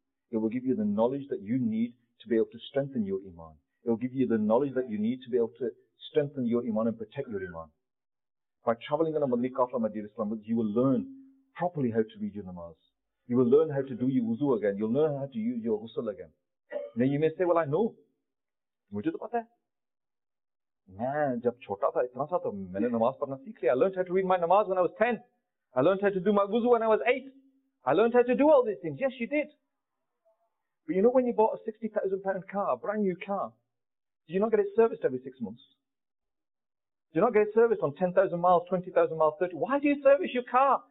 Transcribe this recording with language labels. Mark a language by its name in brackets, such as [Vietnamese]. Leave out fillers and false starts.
[English] It will give you the knowledge that you need to be able to strengthen your iman. It will give you the knowledge that you need to be able to strengthen your iman and protect your iman. By traveling on a Madni Qafla, my dear Islam, you will learn properly how to read your namaz. You will learn how to do your wuzu again. You'll learn how to use your ghusl again. Now you may say, "Well, I know. [Urdu] مجھے تو پتا ہے۔ میں جب چھوٹا تھا، اتنا سا، تو میں نے نماز پڑھنا سیکھ لیا۔ [English] I learned how to read my namaz when I was 10. I learned how to do my wuzu when I was 8. I learned how to do all these things." Yes, you did. But you know when you bought a £60,000 car, a brand new car, do you not get it serviced every 6 months? Do you not get it serviced on 10,000 miles, 20,000 miles, 30? Why do you service your car?